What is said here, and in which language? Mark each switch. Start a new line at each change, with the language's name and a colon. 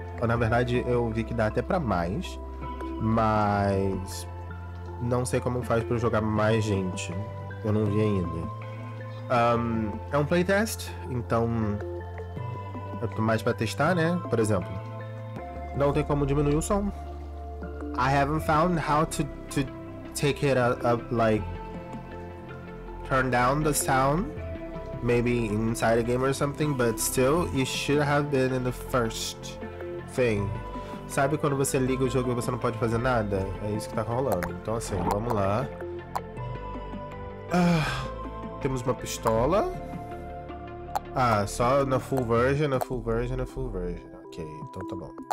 Portuguese: Ou, na verdade, eu vi que dá até pra mais, mas não sei como faz pra jogar mais gente. Eu não vi ainda. É um playtest, então é mais pra testar, né? Por exemplo, não tem como diminuir o som.
English: I haven't found how to take it up, like, turn down the sound, maybe inside a game or something, but still, you should have been in the first thing.
Portuguese: Sabe quando você liga o jogo e você não pode fazer nada? É isso que tá rolando. Então assim, vamos lá. Temos uma pistola. Ah, só na full version, na full version, na full version. Ok, então tá bom.